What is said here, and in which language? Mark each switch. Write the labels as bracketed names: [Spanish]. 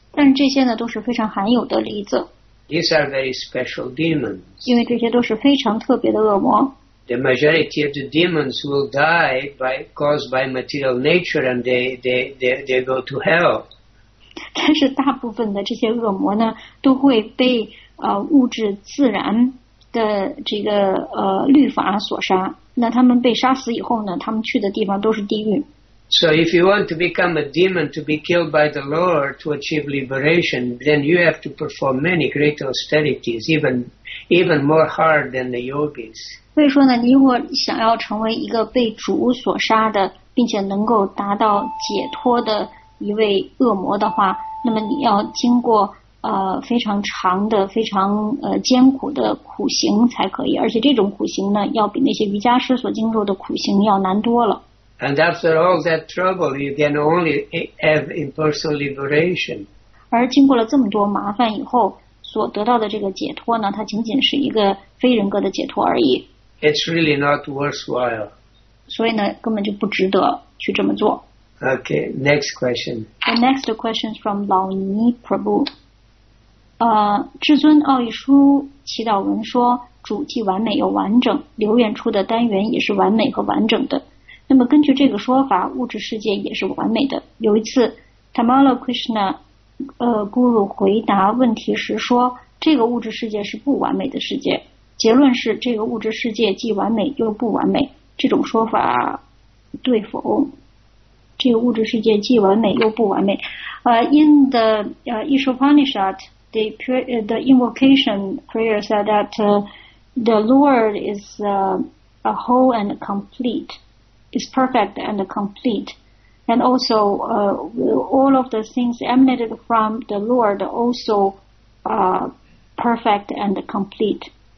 [Chinese] 但这些呢都是非常罕有的例子。 [English] These are very special demons. [Chinese] 因为这些都是非常特别的恶魔。 [English] The majority of the demons will die by caused by material nature, and they go to hell. [Chinese] 但是大部分的这些恶魔呢，都会被物质自然的这个律法所杀。那他们被杀死以后呢，他们去的地方都是地狱。 [English] So if you want to become a demon to be killed by the Lord to achieve liberation, then you have to perform many great austerities, even more hard than the yogis. [Chinese] 所以说呢，你如果想要成为一个被主所杀的，并且能够达到解脱的一位恶魔的话，那么你要经过非常长的、非常艰苦的苦行才可以。而且这种苦行呢，要比那些瑜伽师所经受的苦行要难多了。 [English] And after all that trouble, you can only have impersonal liberation. [Chinese] 而经过了这么多麻烦以后，所得到的这个解脱呢，它仅仅是一个非人格的解脱而已。 [English] It's really not worthwhile. [Chinese] 所以呢，根本就不值得去这么做。 [English] Okay, next question. The next question is from Lao Ni Prabhu. [Chinese] 至尊奥义书祈祷文说，主既完美又完整，流愿出的单元也是完美和完整的。那么根据这个说法，物质世界也是完美的。有一次 Tamala Krishna Guru 回答问题时说，这个物质世界是不完美的世界，结论是这个物质世界既完美又不完美，这种说法对否？这个物质世界既完美又不完美。 [English] In the Ishvapanishad, the invocation prayer said that the Lord is a whole and complete. Is perfect and complete, and also all of the things emanated from the Lord also perfect and complete.